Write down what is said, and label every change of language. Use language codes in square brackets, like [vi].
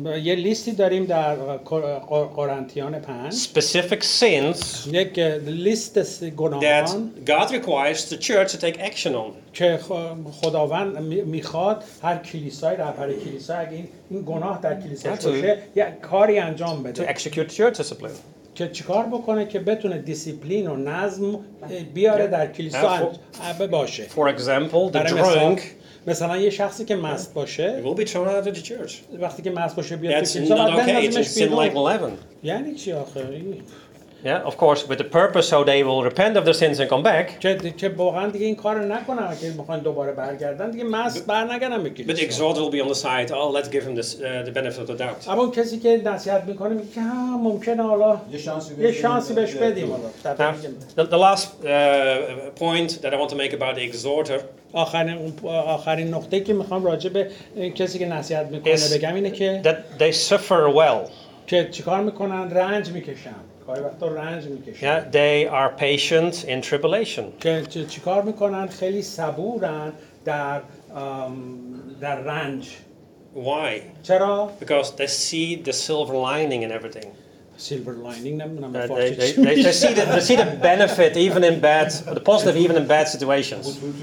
[fa] یه لیستی داریم در قرنتیان 5. [en] Specific sins. [fa] یک لیست از گناهان. [en] That God requires the church to take action on. [fa] که خداوند میخواد هر کلیسای رهبر کلیسا اگه این گناه در کلیسا باشه یه کاری انجام بده. [en] To execute church discipline. [fa] که چیکار بکنه که بتونه دیسیپلین و نظم بیاره در کلیسا باشه. [en] For example, the drunk. [fa] مثلا یه شخصی که مست باشه. [en] He will be thrown out of the church. [fa] وقتی که مست باشه بیاد کلیسا بعد بنازمش بیرون. [en] It's not okay. It's like 11. [fa] یعنی چی آخه؟ [en] Yeah, of course, with the purpose so they will repent of their sins and come back. [fa] که واقعا دیگه این کارو نکنن که میخوان دوباره برگردن دیگه مست برنگردن به کلیسا. [en] But the exhort will be on the side. Oh, let's give him this the benefit of the doubt. [fa] اما کسی که نصیحت میکنه میگه که ممکنه حالا یه شانسی بهش بدیم حالا. [en] The last point that I want to make about the exhorter. [fa] آخرین نقطه‌ای که میخوام راجع به کسی که نصیحت میکنه بگم اینه که [en] that they suffer well. [fa] که چیکار میکنن رنج میکشن. [en] Yeah, they are patient in tribulation. [fa] که چیکار میکنن خیلی صبورن در در رنج. [en] Why? [fa] چرا؟ [en] Because they see the silver lining in everything. Silver lining [fa] نمیدونم. [en] They see the benefit even in bad, the positive even in bad situations.